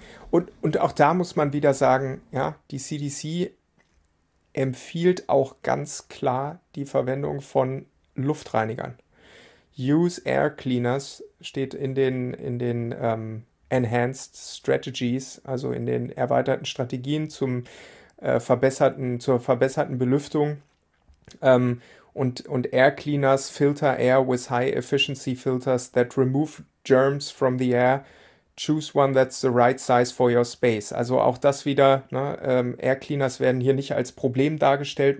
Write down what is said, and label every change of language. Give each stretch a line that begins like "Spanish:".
German: Und auch da muss man wieder sagen, ja, die CDC empfiehlt auch ganz klar die Verwendung von Luftreinigern.
English: Use Air Cleaners
German: steht in den
English: Enhanced Strategies,
German: also in den erweiterten Strategien zur verbesserten Belüftung.
English: Und Air Cleaners filter air with high efficiency filters that remove germs from the air. Choose one that's the right size for your space.
German: Also auch das wieder, ne, Air Cleaners werden hier nicht als Problem dargestellt.